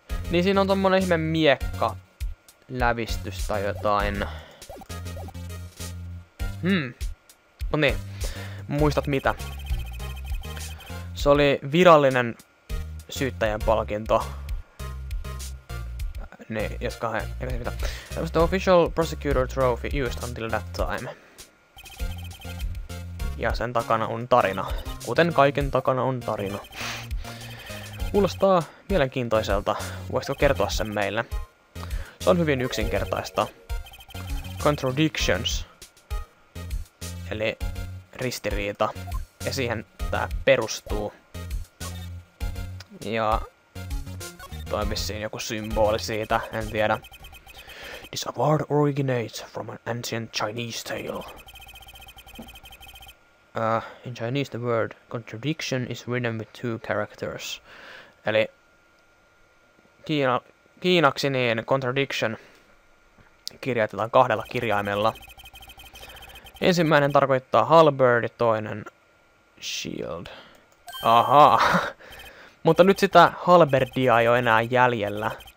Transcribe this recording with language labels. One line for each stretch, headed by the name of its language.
Finnish: Niin, siinä on tommonen ihme miekka. Lävistys tai jotain. Mut niin, muistat mitä. Se oli virallinen syyttäjän palkinto. Niin, jos kahden, eikä se mitä.
English: That was the official prosecutor trophy used until that time.
Finnish: Ja sen takana on tarina. Kuten kaiken takana on tarina. Kuulostaa mielenkiintoiselta. Voisitko kertoa sen meille? Se on hyvin yksinkertaista. Contradictions. Eli ristiriita. Ja siihen tää perustuu. Ja toi vissiin joku symboli siitä, en tiedä.
English: This award originates from an ancient Chinese tale. In Chinese the word contradiction is written with two characters.
Finnish: Eli kiinaksi niin contradiction kirjoitetaan kahdella kirjaimella. Ensimmäinen tarkoittaa halberd ja toinen shield. Ahaa. Mutta nyt sitä halberdia ei ole enää jäljellä.